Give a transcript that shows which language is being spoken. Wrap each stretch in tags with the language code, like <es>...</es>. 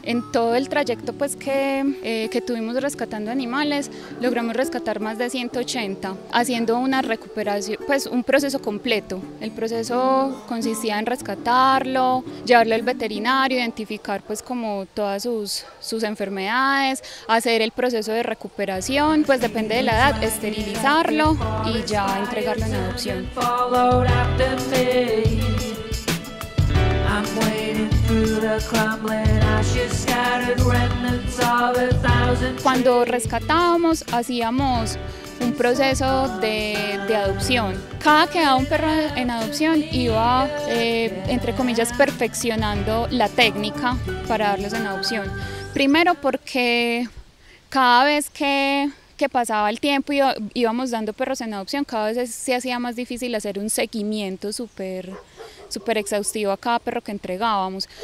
<es>En todo el trayecto pues que tuvimos rescatando animales, logramos rescatar más de 180, haciendo una recuperación, pues un proceso completo. El proceso consistía en rescatarlo, llevarlo al veterinario, identificar pues como todas sus enfermedades, hacer el proceso de recuperación, pues depende de la edad, esterilizarlo y ya entregarlo en adopción.</es> <en>Followed after me, I'm wading through the crumbling ashes, scattered remnants of a thousand trees.</en> <es>Cuando rescatábamos, hacíamos un proceso de adopción. Cada que daba un perro en adopción iba, entre comillas, perfeccionando la técnica para darlos en adopción. Primero porque cada vez que pasaba el tiempo y íbamos dando perros en adopción, cada vez se hacía más difícil hacer un seguimiento súper súper exhaustivo a cada perro que entregábamos.</es>